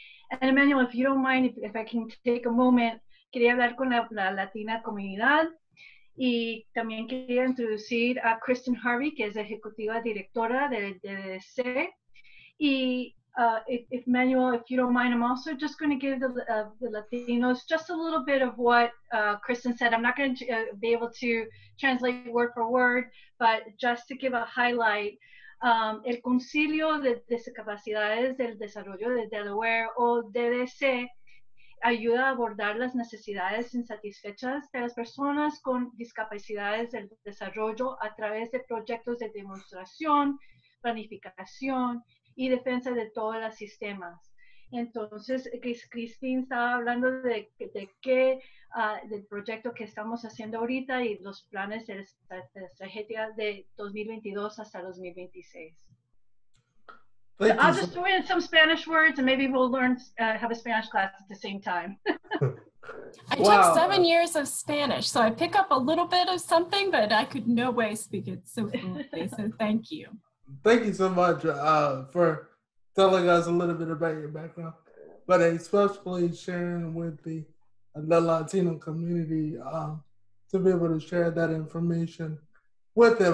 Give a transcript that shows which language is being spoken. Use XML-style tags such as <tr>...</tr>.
<en>And Emmanuel, if you don't mind, if I can take a moment,</en> <es>quería hablar con la Latina comunidad y también quería introducir a Kristin Harvey, que es ejecutiva directora del DDC.</es> <en>Y if Emmanuel, if you don't mind, I'm also just going to give the Latinos just a little bit of what Kristin said. I'm not going to be able to translate word for word, but just to give a highlight.</en> <es>El Concilio de Discapacidades del Desarrollo de Delaware, o DDC, ayuda a abordar las necesidades insatisfechas de las personas con discapacidades del desarrollo a través de proyectos de demostración, planificación y defensa de todos los sistemas. Entonces, Kristin estaba hablando del proyecto que estamos haciendo ahorita y los planes de la estrategia de 2022 hasta 2026.</es> <en>So I'll just throw in some Spanish words and maybe we'll learn, have a Spanish class at the same time. I wow. took 7 years of Spanish, so I pick up a little bit of something, but I could no way speak it so fluently, so thank you. Thank you so much for telling us a little bit about your background, but especially sharing with the Latino community to be able to share that information with them.</en>